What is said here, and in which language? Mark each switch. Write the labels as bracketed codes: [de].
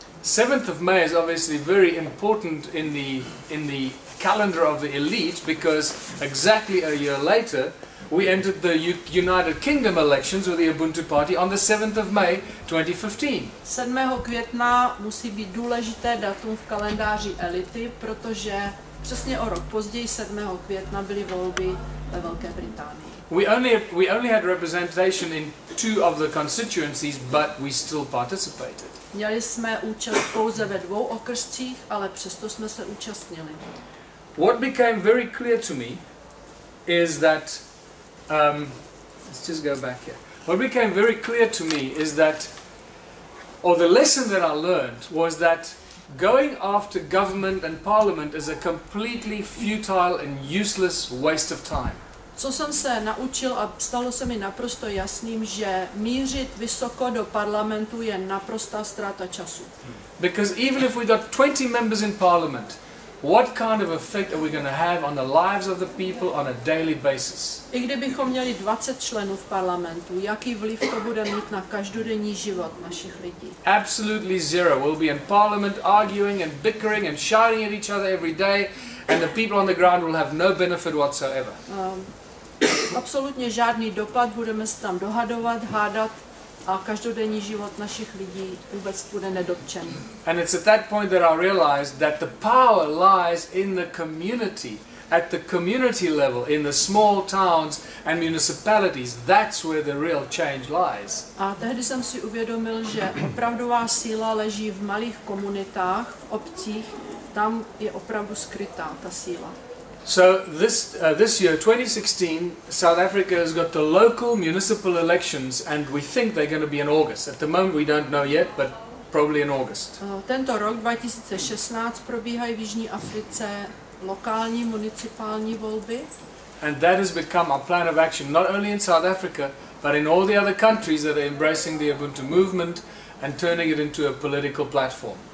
[en] 7th of May is obviously very important in the calendar of the elite because exactly a year later we entered the United Kingdom elections with the Ubuntu Party on the 7th of May 2015. [cs] 7. května musí být důležité datum v kalendáři elity, protože přesně o rok později 7. května byly volby ve Velké Británii. [en] We only had representation in two of the constituencies, but we still participated. [cs] Měli jsme účast pouze ve dvou okrscích, ale přesto jsme se účastnili. [en] What became very clear to me is that let's just go back here. What became very clear to me is that, or the lesson that I learned was that going after government and parliament is a completely futile and useless waste of time. [cs] Co jsem se naučil a stalo se mi naprosto jasným, že mířit vysoko do parlamentu je naprostá ztráta času. [en] Because even if we got 20 members in parliament, what kind of effect are we going to have on the lives of the people on a daily basis? [cs] I kdybychom měli 20 členů v parlamentu, jaký vliv to bude mít na každodenní život našich lidí? [en] Absolutely zero. We'll be in parliament arguing and bickering and shouting at each other every day, and the people on the ground will have no benefit whatsoever. [cs] Absolutně žádný dopad, budeme se tam dohadovat, hádat. A každodenní život našich lidí vůbec bude nedotčen. [en] And it's at that point that I realized that the power lies in the community, at the community level, in the small towns and municipalities. That's where the real change lies. [cs] A tehdy jsem si uvědomil, že opravdová síla leží v malých komunitách, v obcích. Tam je opravdu skrytá ta síla. [en] So this year 2016 South Africa has got the local municipal elections and we think they're going to be in August. At the moment we don't know yet, but probably in August. [cs] Tento rok 2016 probíhají v Jižní Africe lokální municipální volby. [en] And that has become our plan of action not only in South Africa, but in all the other countries that are embracing the Ubuntu movement and turning it into a political platform.